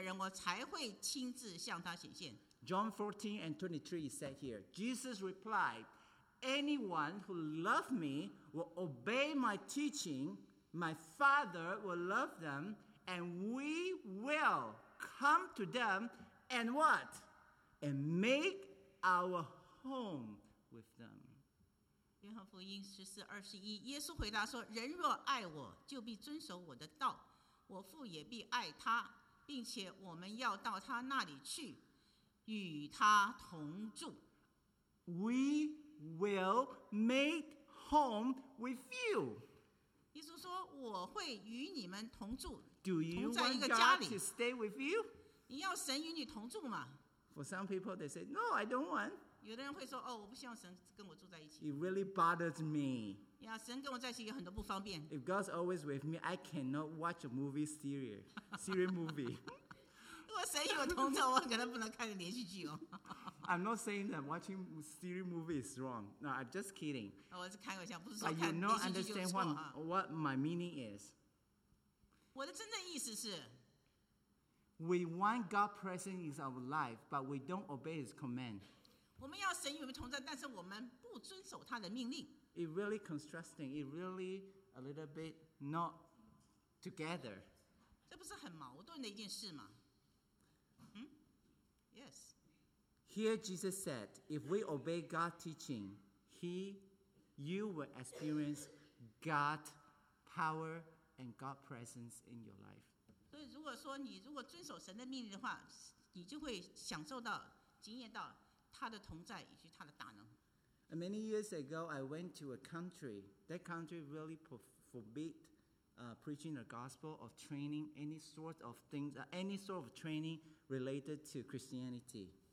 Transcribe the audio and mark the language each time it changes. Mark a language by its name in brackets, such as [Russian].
[Chinese] 只有这些爱我的又遵守我命令的人，我才会亲自向他显现。 [English] John 14 and 23 said here, Jesus replied, Anyone who loves me will obey my teaching. My Father will love them, and we will come to them and what? And make our home with them. [Chinese] 约翰福音14:21，耶稣回答说：“人若爱我，就必遵守我的道，我父也必爱他，并且我们要到他那里去，与他同住。” [English] We will make home with you. [Chinese] 耶稣说，我会与你们同住。 [English] Do you want God to stay with you? [Chinese] 你要神与你同住吗？ [English] For some people, they say, no, I don't want. [Chinese] 有的人会说，哦，我不希望神跟我住在一起。 [English] It really bothers me. [Chinese] 呀，神跟我在一起有很多不方便。 [English] If God's always with me, I cannot watch a movie serial movie. [Chinese] 如果神与我同在，我可能不能看连续剧哦。 [English] I'm not saying that watching scary movie is wrong. No, I'm just kidding. [Chinese] 我是开玩笑，不是说看连续剧就错。 [English] But you not understand what my meaning is. [Chinese] 我的真正意思是， [English] We want God's presence in our life, but we don't obey His command. [Chinese] 我们要神与我们同在，但是我们不遵守他的命令。 [English] It really contrasting. It really a little bit not together. [Chinese] 这不是很矛盾的一件事吗？ [English] Yes. Here Jesus said, if we obey God's teaching, you will experience God's power and God's presence in your life. [Chinese] 所以如果说你遵守神的命令的话，你就会享受到、经验到他的同在以及他的大能。 [English] Many years ago, I went to a country. That country really forbid preaching the gospel or training any sort of things, any sort of training related to Christianity.